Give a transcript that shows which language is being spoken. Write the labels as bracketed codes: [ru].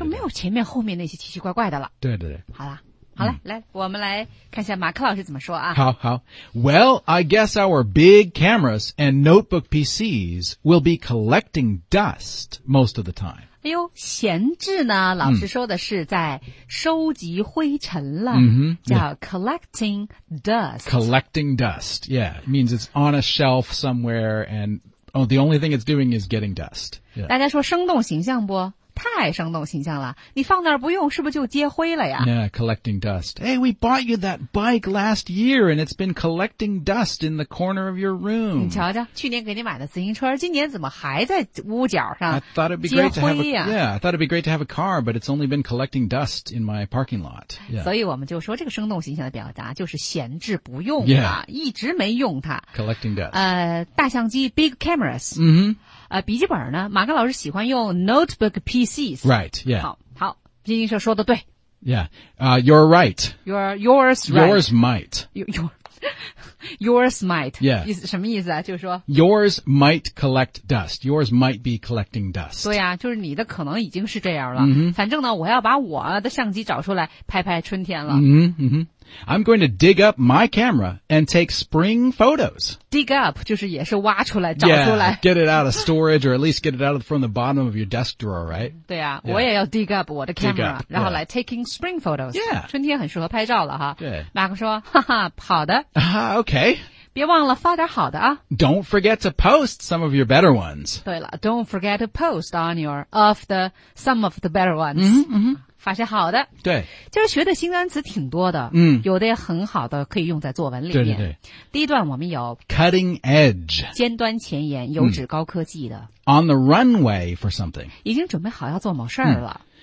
[zh] 就没有前面后面那些奇奇怪怪的了对对对好了好了，来，我们来看一下马克老师怎么说啊。好好。 [en] Well, I guess our big cameras and notebook PCs will be collecting dust most of the time. [zh] 哎呦，闲置呢，老师说的是在收集灰尘了。 Mm-hmm. 叫 collecting dust. [en] Collecting dust, yeah. It means it's on a shelf somewhere and, oh, the only thing it's doing is getting dust.、Yeah. [zh] 大家说生动形象不？太生动形象了，你放那儿不用，是不是就接灰了呀？ [en] Yeah, collecting dust. Hey, we bought you that bike last year, and it's been collecting dust in the corner of your room. [zh] 你瞧瞧，去年给你买的自行车，今年怎么还在屋角上接灰呀？ [en] I thought it'd be great to have a car, but it's only been collecting dust in my parking lot.、Yeah. [zh] 所以我们就说这个生动形象的表达就是闲置不用了、一直没用它。 [en] Collecting dust. [zh] 大相机 ,big cameras. 嗯、mm-hmm. 笔记本呢马克老师喜欢用 notebook PCs. [en] Right, yeah. [zh] 好金星社说的对。 [en] Yeah, you're right. Yours might. Yeah. [zh] 什么意思啊就是说。 [en] Yours might collect dust. Yours might be collecting dust. [zh] 对啊就是你的可能已经是这样了。 Mm-hmm. 反正呢我要把我的相机找出来拍拍春天了。 [en] Mm-hmm, mm-hmm. I'm going to dig up my camera and take spring photos. [zh] Dig up, 就是也是挖出来找出来。 [en] Yeah, get it out of storage or at least get it out of from the bottom of your desk drawer, right? [zh] 对啊、yeah. 我也要 dig up 我的 camera, 然后来 [en] taking spring photos. Yeah. [zh] 春天很适合拍照了哈。对。马克说哈哈好的。 [en] Okay. [zh] 别忘了发点好的啊。 [en] Don't forget to post some of your better ones. 对了 ,don't forget to post on your, of the, some of the better ones. 嗯、mm-hmm, 嗯、mm-hmm. [zh] 发现好的，对，就是学的新单词挺多的，嗯，有的也很好的，可以用在作文里面。对对对，第一段我们有 [en] cutting edge, [zh] 尖端前沿，有指高科技的。 [en] On the runway for something, [zh] 已经准备好要做某事儿了。